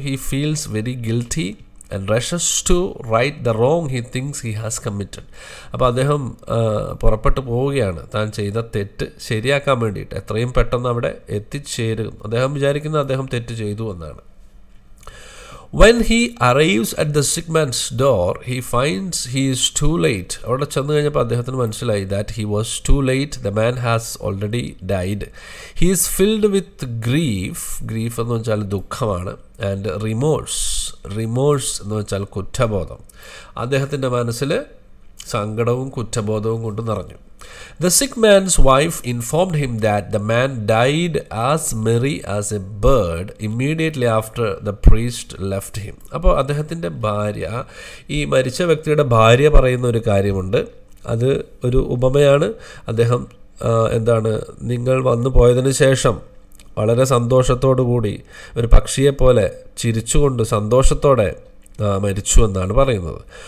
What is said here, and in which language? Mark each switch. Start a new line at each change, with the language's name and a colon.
English: He feels very guilty and rushes to right the wrong he things he has committed.
Malayalam: അപ്പോൾ അദ്ദേഹം പുറപ്പെട്ട് പോവുകയാണ് താൻ ചെയ്ത തെറ്റ് ശരിയാക്കാൻ വേണ്ടിയിട്ട്. എത്രയും പെട്ടെന്ന് അവിടെ എത്തിച്ചേരും അദ്ദേഹം വിചാരിക്കുന്നത്, അദ്ദേഹം തെറ്റ് ചെയ്തു എന്നാണ്.
English: When he arrives at the sick man's door, he finds he is too late.
Malayalam: അവിടെ ചെന്ന് കഴിഞ്ഞപ്പോൾ അദ്ദേഹത്തിന് മനസ്സിലായി
English: that he was too late. The man has already died. He is filled with grief.
Malayalam: Grief എന്ന് വെച്ചാൽ ദുഃഖമാണ്. ആൻഡ് റിമോഴ്സ് എന്ന് വെച്ചാൽ കുറ്റബോധം. അദ്ദേഹത്തിൻ്റെ മനസ്സിൽ സങ്കടവും കുറ്റബോധവും കൊണ്ട് നിറഞ്ഞു.
English: The sick man's wife informed him that the man died as merry as a bird immediately after the priest left him.
Malayalam: അപ്പോൾ അദ്ദേഹത്തിൻ്റെ ഭാര്യ, ഈ മരിച്ച വ്യക്തിയുടെ ഭാര്യ പറയുന്ന ഒരു കാര്യമുണ്ട്, അത് ഒരു ഉപമയാണ്. അദ്ദേഹം എന്താണ്, നിങ്ങൾ വന്നു പോയതിനു ശേഷം വളരെ സന്തോഷത്തോടുകൂടി ഒരു പക്ഷിയെപ്പോലെ ചിരിച്ചുകൊണ്ട് സന്തോഷത്തോടെ മരിച്ചു എന്നാണ് പറയുന്നത്.